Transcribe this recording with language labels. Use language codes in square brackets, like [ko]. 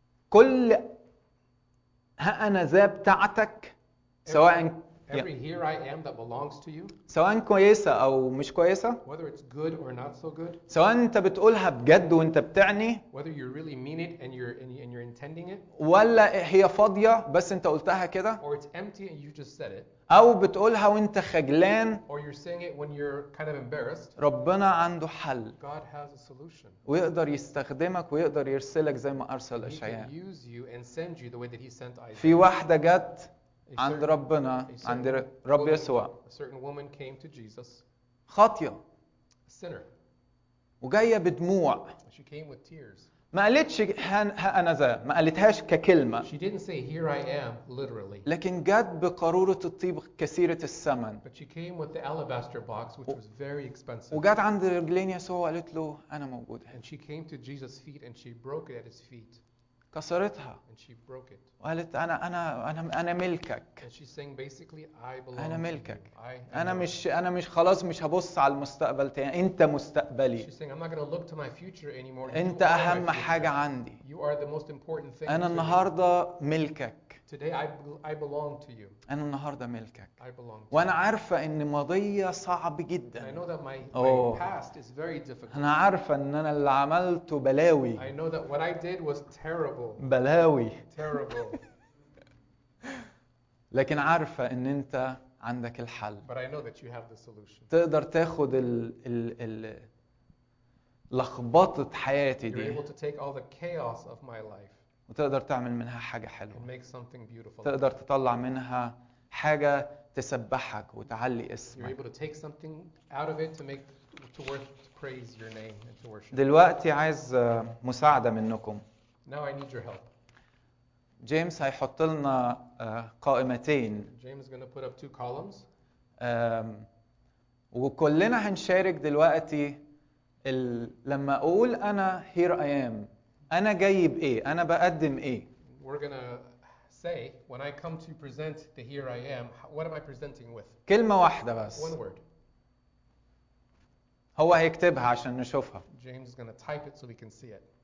[ar] كل هأنذا بتاعتك سواء [en] Every here I am that belongs to you. [ar] سواء كويسة أو مش كويسة. [en] Whether it's good or not so good. [ar] سواء أنت بتقولها بجد وأنت بتعني. [en] Whether you really mean it and you're intending it. [ar] ولا هي فاضية بس أنت قلتها كده. [en] Or it's empty and you just said it. [ar] أو بتقولها وأنت خجلان. [en] Or you're saying it when you're kind of embarrassed. [ar] ربنا عنده حل. [en] God has a solution. [ar] ويقدر يستخدمك ويقدر يرسلك زي ما أرسل أشعياء. [en] He can use you and send you the way that He sent Isaiah. [ar] في واحدة جت. عند ربنا عند رب يسوع. [en] A certain woman came to Jesus. [ar] خاطية. [en] A sinner. [ar] وجاية بدموع. [en] She came with tears. [ar] ما قالتش هأنذا، ما قالتهاش ككلمة. [en] She didn't say here I am literally. [ar] لكن جت بقارورة الطيب كثيرة الثمن. [en] But she came with the alabaster box which was very expensive. [ar] وجت عند رجلين يسوع وقالت له أنا موجودة. [en] And she came to Jesus' feet and she broke it at his feet. [ar] كسرتها. [en] And she broke it. [ar] وقالت أنا أنا أنا أنا ملكك. [en] And she's saying basically I belong. [ar] أنا ملكك. [en] To you. [ar] أنا مش خلاص مش هبص على المستقبل تاني. أنت مستقبلي. [en] She's saying I'm not gonna look to my future anymore. [ar] أنت أهم حاجة عندي. [en] You are the most important thing. [ar] أنا النهاردة ملكك. [en] Today I belong to you. [ar] أنا النهاردة ملكك. [en] I belong. [ar] وأنا عارفة إن ماضية صعب جدا. [en] I know that my past is very difficult. [ar] أنا عارفة إن أنا اللي عملته بلاوي. [en] I know that what I did was terrible. [ar] بلاوي. [en] Terrible. [ar] لكن عارفة إن أنت عندك الحل. [en] But I know that you have the solution. [ar] تقدر تاخد ال لخبطة حياتي دي. [en] You're able to take all the chaos of my life. [ar] وتقدر تعمل منها حاجة حلوة. [en] And make something beautiful. [ar] تقدر تطلع منها حاجة تسبحك وتعلي اسمك. [en] You're able to take something out of it to make to worth to praise your name and to worship. [ar] دلوقتي عايز مساعدة منكم. [en] Now I need your help. [ar] جيمس هيحط لنا قائمتين. [en] James is going to put up two columns. [ar] وكلنا هنشارك دلوقتي لما أقول أنا [en] here I am. [ar] أنا جايب إيه؟ أنا بقدم إيه؟ [en] We're going to say when I come to present the here I am, what am I presenting with? [ar] كلمة واحدة بس. [en] One word. [ar] هو هيكتبها عشان نشوفها. [en] James is going to type it so we can see it.